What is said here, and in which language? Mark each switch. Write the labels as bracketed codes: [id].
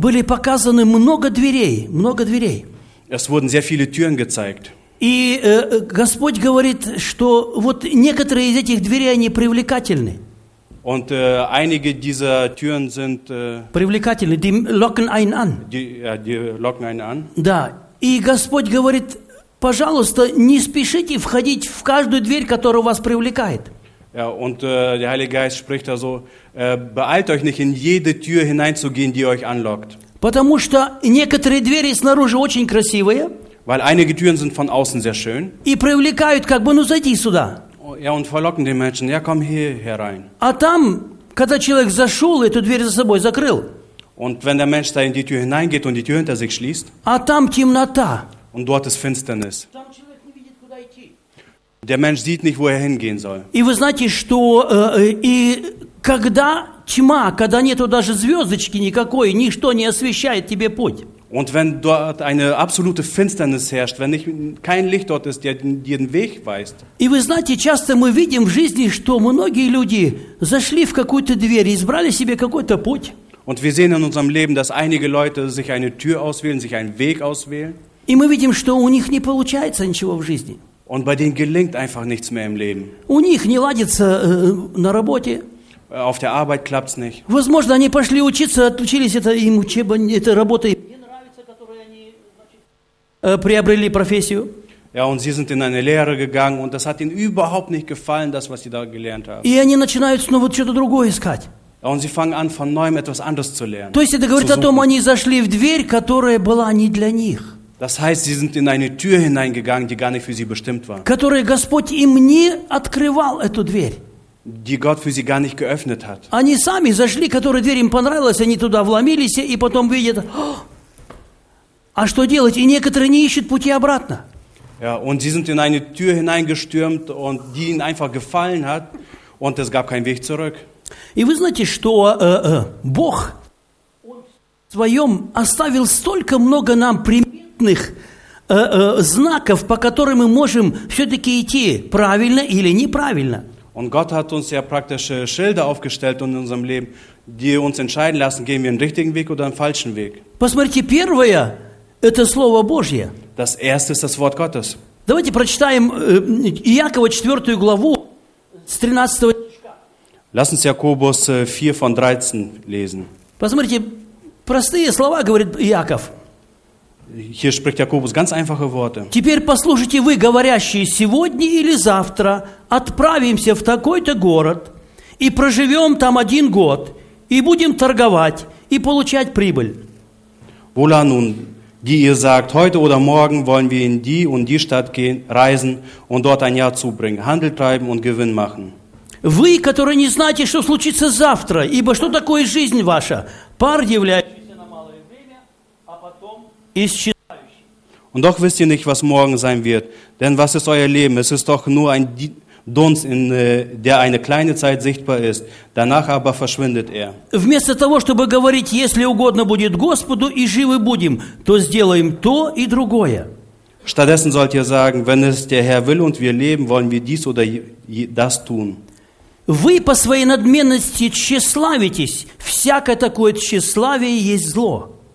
[ru] Были показаны много дверей, много дверей. [de] Es wurden sehr viele Türen gezeigt. [ru] И Господь говорит, что вот некоторые из этих дверей, они привлекательны. [de] Und einige dieser Türen sind [ru] привлекательны, [de] die locken einen an. Die locken einen an. [ru] Да. И Господь говорит, пожалуйста, не спешите входить в каждую дверь, которая вас привлекает. [de] Ja, und der Heilige Geist spricht also, beeilt euch nicht, in jede Tür hineinzugehen, die euch anlockt. [ru] Потому что некоторые двери снаружи очень красивые. [de] Weil einige Türen sind von außen sehr schön. [ru] И привлекают, как бы, ну зайди сюда. [de] Ja, und verlocken den Menschen, ja, komm hier herein. [ru] А там, когда человек зашел, эту дверь за собой закрыл. [de] Und wenn der Mensch da in die Tür hineingeht und die Tür hinter sich schließt. [ru] А там темнота. [de] Und dort ist Finsternis. [ru] Там человек не видит, куда идти. [de] Der Mensch sieht nicht, wo er hingehen soll. [ru] И вы знаете, что и когда тьма, когда нету даже звездочки никакой, ничто не освещает тебе путь. [de] Und wenn dort eine absolute Finsternis herrscht, wenn nicht, kein Licht dort ist, der dir den Weg weist. [ru] И вы знаете, часто мы видим в жизни, что многие люди зашли в какую-то дверь, избрали себе какой-то путь. [de] Und wir sehen in unserem Leben, dass einige Leute sich eine Tür auswählen, sich einen Weg auswählen. [ru] И мы видим, что у них не получается ничего в жизни. [de] Und bei denen gelingt einfach nichts mehr im Leben. [ru] У них не ладится на работе. [de] Auf der Arbeit klappt's nicht. [ru] Возможно, они пошли учиться, отучились, это им учеба, это работа. Приобрели профессию. [de] Ja, und sie sind in eine Lehre gegangen und das hat ihnen überhaupt nicht gefallen, das, was sie da gelernt haben. [ru] И они начинают снова что-то другое искать. [de] Ja, und sie fangen an, von neuem etwas anderes zu lernen. [ru] То есть это говорит о том, они зашли в дверь, которая была не для них. [de] Das heißt, sie sind in eine Tür hineingegangen, die gar nicht für sie bestimmt war. [ru] Которая Господь им не открывал эту дверь. [de] Die Gott für sie gar nicht geöffnet hat. [ru] Они сами зашли, которая дверь им понравилась, они туда вломились и потом видят. А что делать? И некоторые не ищут пути обратно. [de] Ja, und sie sind in eine Tür hineingestürmt und die ihnen einfach gefallen hat und es gab keinen Weg zurück. [ru] И вы знаете, что Бог в своем оставил столько много нам приметных знаков, по которым мы можем все-таки идти правильно или неправильно. [de] Und Gott hat uns ja praktische Schilder aufgestellt in unserem Leben, die uns entscheiden lassen, gehen wir den richtigen Weg oder den falschen Weg. [ru] Посмотрите, первое. Это Слово Божье. [de] Das erste ist das Wort Gottes. [ru] Давайте прочитаем Иакова 4 главу с 13 стиха. [de] Lass uns Jakobus 4 von 13 lesen. [ru] Посмотрите, простые слова, говорит Иаков. [de] Hier spricht Jakobus ganz einfache Worte. [ru] Теперь послушайте вы, говорящие, сегодня или завтра отправимся в такой-то город и проживем там один год и будем торговать и получать прибыль. [de] Wohl an nun. Die ihr sagt, heute oder morgen wollen wir in die und die Stadt gehen, reisen und dort ein Jahr zubringen, Handel treiben und Gewinn machen. [ru] Вы, которые не знаете, что случится завтра, ибо что такое жизнь ваша? Пар является на малое время, а потом исчезающий. [de] Und doch wisst ihr nicht, was morgen sein wird, denn was ist euer Leben? Es ist doch nur ein Dunst, in der eine kleine Zeit sichtbar ist, danach aber verschwindet er. [ru] Вместо того, чтобы говорить, если угодно будет Господу и живы будем, то сделаем то и другое. [de] Stattdessen sollt ihr sagen, wenn es der Herr will und wir leben, wollen wir dies oder das tun. [ru] Вы по своей надменности тщеславитесь, всякое такое тщеславие есть зло.